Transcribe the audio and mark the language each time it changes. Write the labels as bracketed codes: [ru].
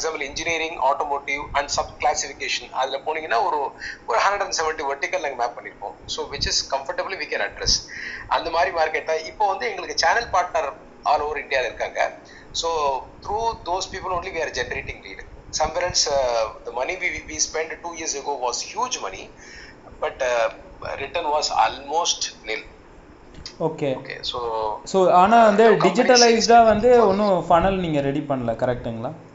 [ta] Engineering, automotive and sub classification, அதுல போனீங்கன்னா ஒரு 170 வெர்டிகல் பண்ணிருப்போம். [en] So, through those people only we are generating lead. Somewhere else, the money we spent 2 years ago was huge money, but return was almost nil. Okay. Okay, so... [ta] So, ஆனா அந்த digitalized ஆ வந்து ஒன்னும் funnel நீங்க ready பண்ணல, கரெக்ட்டுங்களா?